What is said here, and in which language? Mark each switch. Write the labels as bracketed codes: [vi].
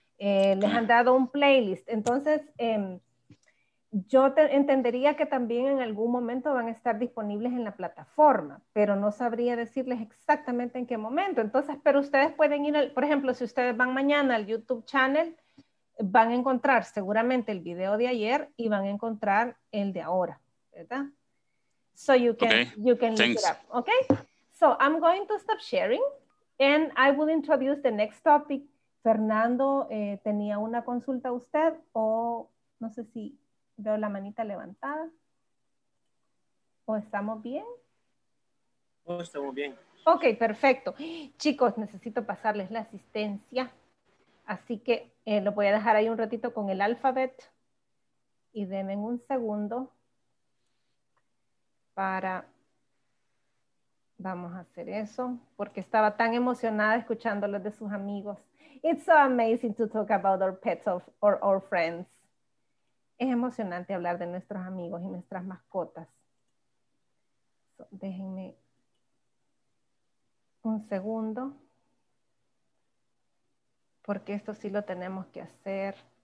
[es] Les han dado un playlist. Entonces, yo entendería que también en algún momento van a estar disponibles en la plataforma, pero no sabría decirles exactamente en qué momento. Entonces, pero ustedes pueden ir, por ejemplo, si ustedes van mañana al YouTube channel, van a encontrar seguramente el video de ayer y van a encontrar el de ahora, ¿verdad? [en] So you can, okay. You can look it up, okay? So I'm going to stop sharing and I will introduce the next topic. [es] Fernando, ¿tenía una consulta a usted o no sé si veo la manita levantada? ¿O estamos bien? No, estamos bien. Ok, perfecto. Chicos, necesito pasarles la asistencia. Así que lo voy a dejar ahí un ratito con el alfabet. Y denme un segundo para... Vamos a hacer eso, porque estaba tan emocionada escuchándolos de sus amigos. [en] It's so amazing to talk about our pets or our friends. [es] Es emocionante hablar de nuestros amigos y nuestras mascotas. [en] So, [es] déjenme un segundo. Porque esto sí lo tenemos que hacer.